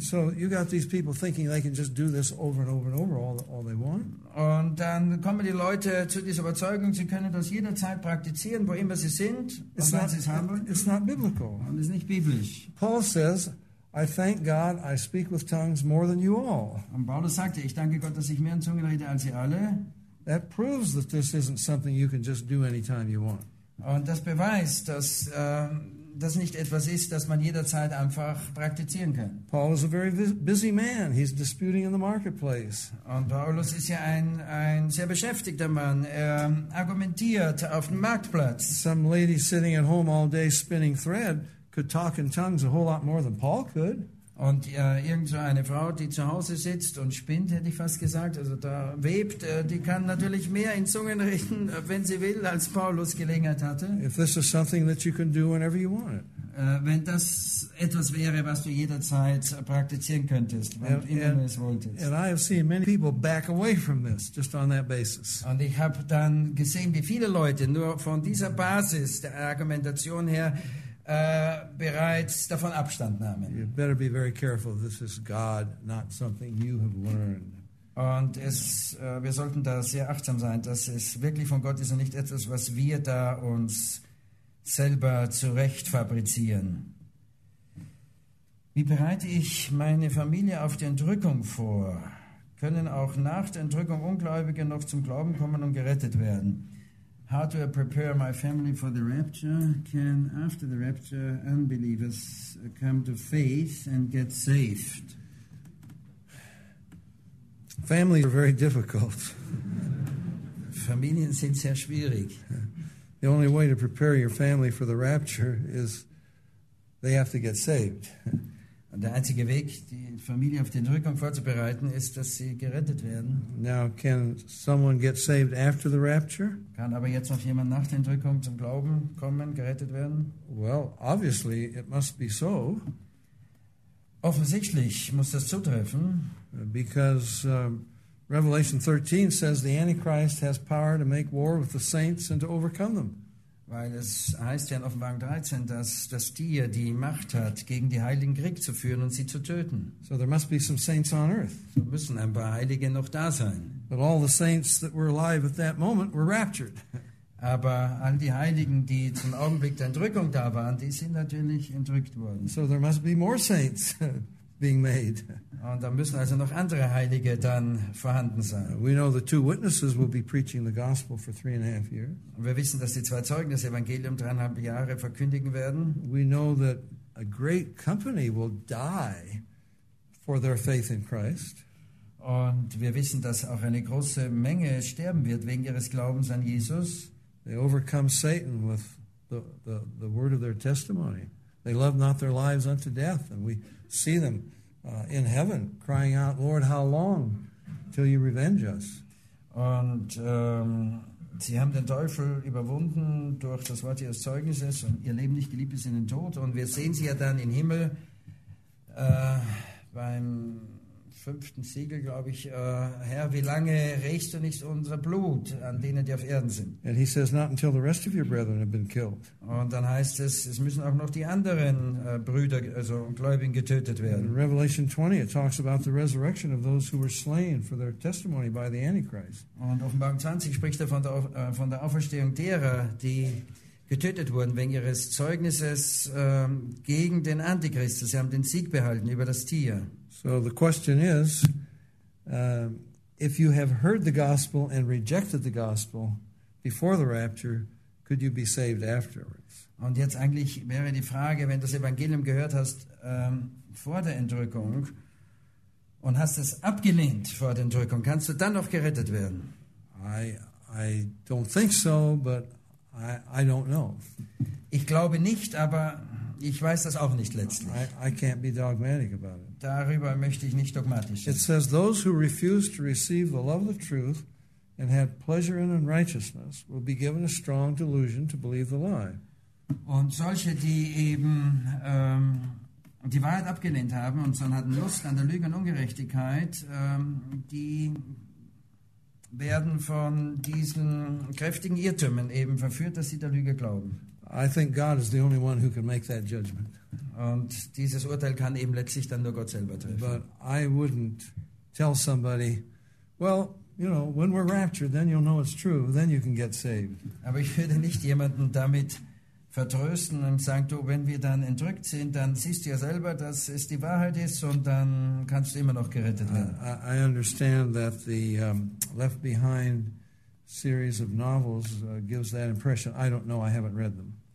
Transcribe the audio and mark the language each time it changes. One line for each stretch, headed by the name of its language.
English: So you got these people thinking they can just do this over and over and over all they want.
German: Und dann kommen die Leute zu dieser Überzeugung, sie können das jederzeit praktizieren, wo immer sie sind.
English: It's not biblical.
German: Und ist nicht biblisch.
English: Paul says, I thank God I speak with tongues more than you all.
German: Und Paulus sagte, ich danke Gott, dass ich mehr in Zungen rede als ihr alle.
English: That proves that this isn't something you can just do anytime you want.
German: Und das beweist, dass das nicht etwas ist, das man jederzeit einfach praktizieren kann.
English: Paul is a very busy man. He's disputing in the marketplace.
German: Und Paulus ist ja ein sehr beschäftigter Mann. Er argumentiert auf dem Marktplatz.
English: Some lady sitting at home all day spinning thread could talk in tongues a whole lot more than Paul could.
German: Und irgend so eine Frau, die zu Hause sitzt und spinnt, hätte ich fast gesagt, also da webt, die kann natürlich mehr in Zungen reden, wenn sie will, als Paulus Gelegenheit hatte.
English: If this is something that you can do whenever you want it.
German: Wenn das etwas wäre, was du jederzeit praktizieren könntest, wenn du es wolltest.
English: And I have seen many people back away from this, just on that basis.
German: Und ich habe dann gesehen, wie viele Leute nur von dieser Basis der Argumentation her bereits davon Abstand nahmen.
English: You better be very careful. This is God, not something you have learned.
German: Und es, wir sollten da sehr achtsam sein, dass es wirklich von Gott ist und nicht etwas, was wir da uns selber zurecht fabrizieren. Wie bereite ich meine Familie auf die Entrückung vor? Können auch nach der Entrückung Ungläubige noch zum Glauben kommen und gerettet werden?
English: How do I prepare my family for the rapture? Can, after the rapture, unbelievers come to faith and get saved? Families are very difficult.
German: Familien sind sehr schwierig.
English: The only way to prepare your family for the rapture is they have to get saved.
German: Und der einzige Weg, die Familie auf den Rückgang vorzubereiten, ist, dass sie gerettet werden.
English: Now, can someone get saved after the rapture?
German: Kann aber jetzt noch jemand nach der Rückgang zum Glauben kommen, gerettet werden?
English: Well, obviously, it must be so.
German: Offensichtlich muss das zutreffen.
English: Because Revelation 13 says the Antichrist has power to make war with the saints and to overcome them.
German: Weil es heißt ja in Offenbarung 13, dass das Tier die Macht hat, gegen die Heiligen Krieg zu führen und sie zu töten.
English: So there must be some saints on earth.
German: So müssen ein paar Heilige noch da sein.
English: But all the saints that were alive at that moment were raptured.
German: Aber all die Heiligen, die zum Augenblick der Entrückung da waren, die sind natürlich entrückt worden.
English: So there must be more saints being made.
German: Und da müssen also noch andere Heilige dann vorhanden sein.
English: We know the two witnesses will be preaching the gospel for 3.5 years.
German: Und wir wissen, dass die zwei Zeugen das Evangelium 3.5 Jahre verkündigen werden.
English: We know that a great company will die for their faith in Christ.
German: Und wir wissen, dass auch eine große Menge sterben wird wegen ihres Glaubens an Jesus.
English: They overcome Satan with the word of their testimony. They love not their lives unto death, and we see them in heaven crying out, Lord, how long till you revenge us?
German: Und sie haben den Teufel überwunden durch das Wort ihres Zeugnisses und ihr Leben nicht geliebt ist in den Tod. Und wir sehen sie ja dann im Himmel beim 5. Siegel, glaube ich, Herr, wie lange rächst du nicht unser Blut an denen, die auf Erden sind?
English: And he says, not until the rest of your brethren have been killed.
German: Und dann heißt es, es müssen auch noch die anderen Brüder, also Gläubigen, getötet werden.
English: In Revelation 20, it talks about the resurrection of those who were slain for their testimony by the Antichrist.
German: Und Offenbarung 20 spricht er von der Auferstehung derer, die getötet wurden wegen ihres Zeugnisses gegen den Antichrist. Sie haben den Sieg behalten über das Tier.
English: So the question is, if you have heard the gospel and rejected the gospel before the rapture, could you be saved afterwards?
German: Und jetzt eigentlich wäre die Frage, wenn du das Evangelium gehört hast vor der Entrückung und hast es abgelehnt vor der Entrückung, kannst du dann noch gerettet werden?
English: I don't think so, but I don't know.
German: Ich glaube nicht, aber ich weiß das auch nicht letztlich.
English: I can't be dogmatic about it.
German: Darüber möchte ich nicht dogmatisch sein.
English: It says those who refuse to receive the love of truth and had pleasure in unrighteousness will be given a strong delusion to believe the lie.
German: Und solche, die eben die Wahrheit abgelehnt haben und sondern hatten Lust an der Lüge und Ungerechtigkeit, die werden von diesen kräftigen Irrtümern eben verführt, dass sie der Lüge glauben.
English: I think God is the only one who can make that judgment.
German: Und dieses Urteil kann eben letztlich dann nur Gott selber treffen.
English: But I wouldn't tell somebody, well, you know, when we're raptured, then you'll know it's true, then you can get saved.
German: Aber ich würde nicht jemanden damit vertrösten und sagen, du, wenn wir dann entrückt sind, dann siehst du ja selber, dass es die Wahrheit ist und dann kannst du immer noch gerettet werden.
English: I understand that the Left Behind series of novels gives that impression. I don't know, I haven't read them.